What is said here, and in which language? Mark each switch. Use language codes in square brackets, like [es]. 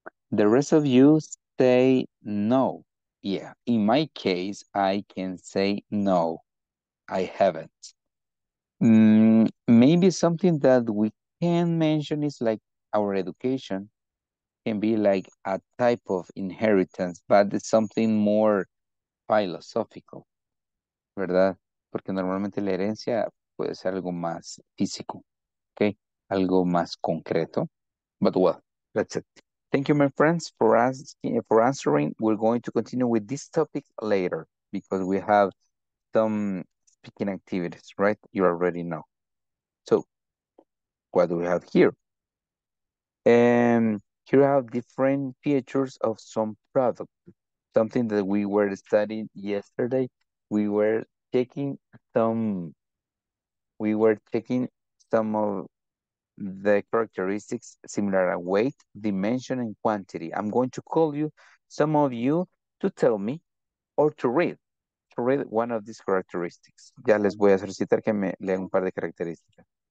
[en] The rest of you say no. Yeah, in my case, I can say no. I haven't. Maybe something that we can mention is like our education. Can be like a type of inheritance, but it's something more philosophical, [es] ¿verdad? Porque normalmente la herencia puede ser algo más físico, ¿ok? Algo más concreto. [en] But well, that's it. Thank you, my friends, for answering. We're going to continue with this topic later because we have some speaking activities, right? You already know. So, what do we have here? Here we have different features of some product. Something that we were studying yesterday, we were checking some of the characteristics similar to weight, dimension, and quantity. I'm going to call you, some of you, to tell me or to read one of these characteristics. [es] Ya les voy a solicitar que me lean un par de características.